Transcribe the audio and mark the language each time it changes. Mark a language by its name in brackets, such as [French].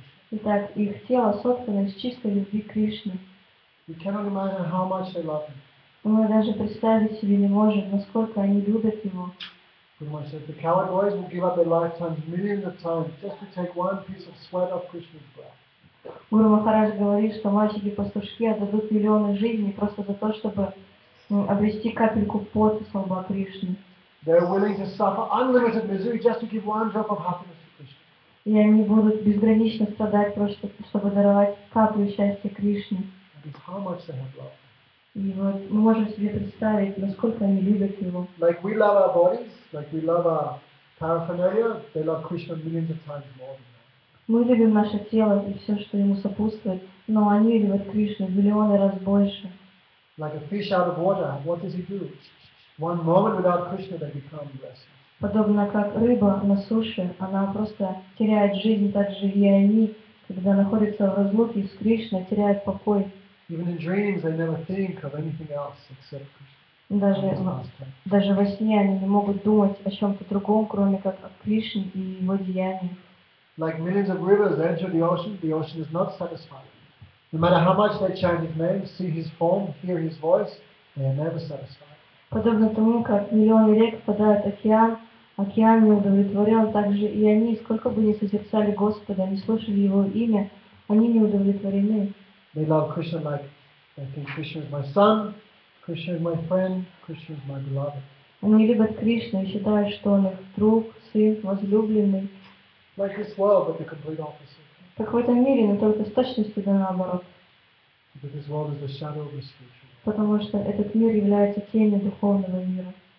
[Russian] Итак, их тело соткано из чистой любви к Кришне. [English] We cannot imagine how much they love Him. [Russian] Мы даже представить себе не можем, насколько они любят его. [English] The coward boys will give up their lifetimes, millions of times, just to take one piece of sweat off Krishna's brow. [Russian] Гуру Махарадж говорит, что мальчики-пастушки отдадут миллионы жизней просто за то, чтобы обрести капельку пота с лба Кришны. [English] They're willing to suffer unlimited misery just to give one drop of happiness to Krishna. [Russian] И они будут безгранично страдать просто, чтобы даровать каплю счастья Кришне. [English] How much they have loved. [Russian] И вот мы можем себе представить, насколько они любят его. [English] Like we love our bodies, like we love our paraphernalia, they love Krishna millions of times more than that. [Russian] Мы любим наше тело и все, что ему сопутствует, но они любят Кришну в миллионы раз больше. [English] Like a fish out of water, what does he do? One moment without Krishna, they become restless. [Russian] Подобно как рыба на суше, она просто теряет жизнь, так же и они, когда находятся в разлуке с Кришной, теряют покой. [English] Even in dreams, they never think of anything else except Krishna. [Russian] Даже во сне они не могут думать о чем-то другом, кроме как о Кришне и его деяниях. [English] Like millions of rivers enter the ocean is not satisfied. No matter how much they chant his name, see his form, hear his voice, they are never satisfied. [Russian] Подобно тому, как миллионы рек впадают в океан, океан не удовлетворен, так же и они, сколько бы ни созерцали Господа, не слушали его имя, они не удовлетворены. [English] They love Krishna like they think Krishna is my son, Krishna is my friend, Krishna is my beloved. [Russian] Они любят Кришну и считают, что он их друг, сын, возлюбленный. [English] Like this world, but the complete opposite. [Russian] Как в этом мире, но только с точностью да наоборот. [English] Because this world is the shadow of the spiritual. [Russian] Потому что этот мир является тенью духовного мира.